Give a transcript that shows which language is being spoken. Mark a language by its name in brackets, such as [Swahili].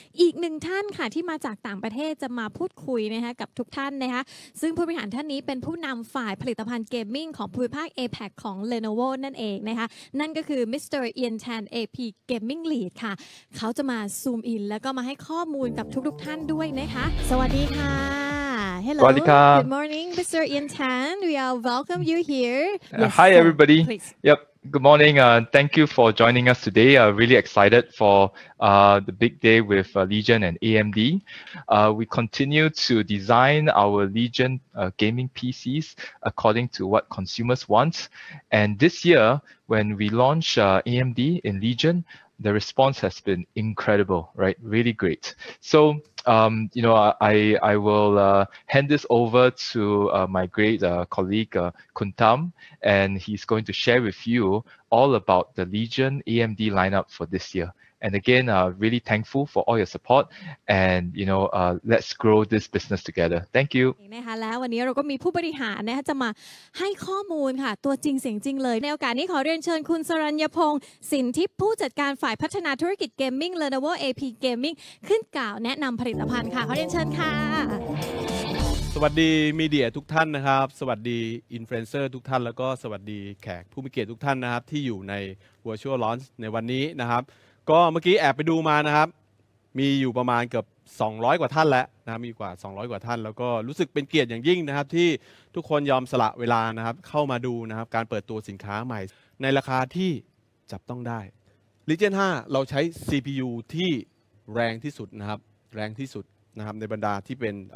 [Thai] อีกหนึ่งท่านค่ะที่มาจากต่างประเทศจะมาพูดคุยนะคะกับทุกท่านนะคะซึ่งผู้บริหารท่านนี้เป็นผู้นำฝ่ายผลิตภัณฑ์เกมมิ่งของภูมิภาค APAC ของ Lenovo นั่นเองนะคะนั่นก็คือมิสเตอร์เอียนแทน AP Gaming Lead ค่ะเขาจะมาซูมอินแล้วก็มาให้ข้อมูลกับทุกท่านด้วยนะคะสวัสดีค่ะ [English] Hello. [Thai] สวัสดีครับ [English] Good morning Mr. Ian Tan we are welcome you here Hi everybody please. Yep good morning thank you for joining us today really excited for the big day with Legion and AMD we continue to design our Legion gaming PCs according to what consumers want and this year when we launch AMD in Legion the response has been incredible right really great soyou know, I will hand this over to my great colleague Kun Tam, and he's going to share with you all about the Legion AMD lineup for this year. And again, really thankful for all your support. And you know, let's grow this business together. Thank you. [Thai] นะคะแล้ววันนี้เราก็มีผู้บริหารนะคะจะมาให้ข้อมูลค่ะตัวจริงเสียงจริงเลยในโอกาสนี้ขอเรียนเชิญคุณสรัญญพงษ์สินทิพย์ผู้จัดการฝ่ายพัฒนาธุรกิจเกมมิ่ง Lenovo AP Gaming ขึ้นกล่าวแนะนำผลิตภัณฑ์ค่ะขอเรียนเชิญค่ะ สวัสดีมีเดียทุกท่านนะครับสวัสดีอินฟลูเอนเซอร์ทุกท่านแล้วก็สวัสดีแขกผู้มีเกียรติทุกท่านนะครับที่อยู่ใน Virtual Launch ในวันนี้นะครับก็เมื่อกี้แอบไปดูมานะครับมีอยู่ประมาณเกือบ200กว่าท่านแล้วนะมีกว่า200กว่าท่านแล้วก็รู้สึกเป็นเกียรติอย่างยิ่งนะครับที่ทุกคนยอมสละเวลานะครับเข้ามาดูนะครับการเปิดตัวสินค้าใหม่ในราคาที่จับต้องได้ Legion 5เราใช้ CPU ที่แรงที่สุดนะครับแรงที่สุดนะครับในบรรดาที่เป็น